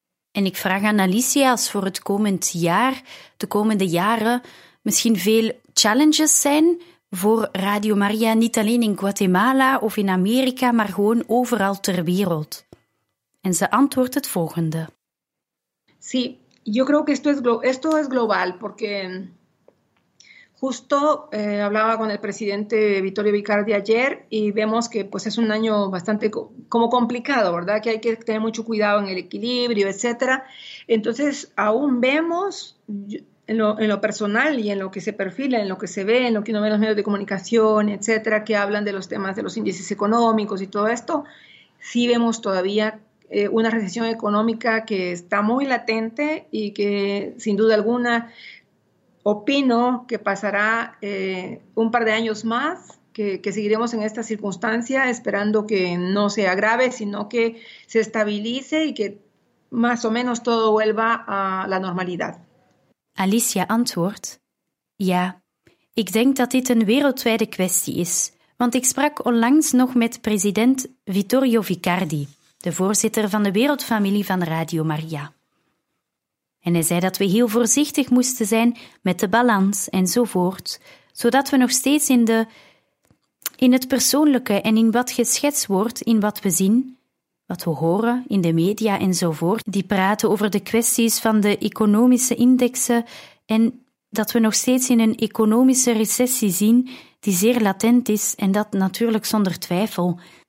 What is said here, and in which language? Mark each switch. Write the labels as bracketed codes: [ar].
[nl] En ik vraag aan Alicia als voor het komend jaar, de komende jaren, misschien veel challenges zijn voor Radio Maria, niet alleen in Guatemala of in Amerika, maar gewoon overal ter wereld. En ze antwoordt het volgende. [es] Sí. Yo creo que esto es global, porque Justo hablaba con el presidente Vittorio Vicardi ayer y vemos que pues es un año bastante co como complicado, ¿verdad? Que hay que tener mucho cuidado en el equilibrio, etcétera. Entonces, aún vemos en lo personal y en lo que se perfila, en lo que se ve, en lo que uno ve en los medios de comunicación, etcétera, que hablan de los temas de los índices económicos y todo esto, sí vemos todavía una recesión económica que está muy latente y que sin duda alguna opino que pasará un par de años más, que seguiremos en esta circunstancia, esperando que no se agrave, sino que se estabilice y que más o menos todo vuelva a la normalidad. [nl] Alicia antwoordt: Ja, ik denk dat dit een wereldwijde kwestie is, want ik sprak onlangs nog met president Vittorio Vicardi, de voorzitter van de wereldfamilie van Radio Maria. En hij zei dat we heel voorzichtig moesten zijn met de balans enzovoort, zodat we nog steeds in het persoonlijke en in wat geschetst wordt, in wat we zien, wat we horen in de media enzovoort, die praten over de kwesties van de economische indexen en dat we nog steeds in een economische recessie zien die zeer latent is en dat natuurlijk zonder twijfel.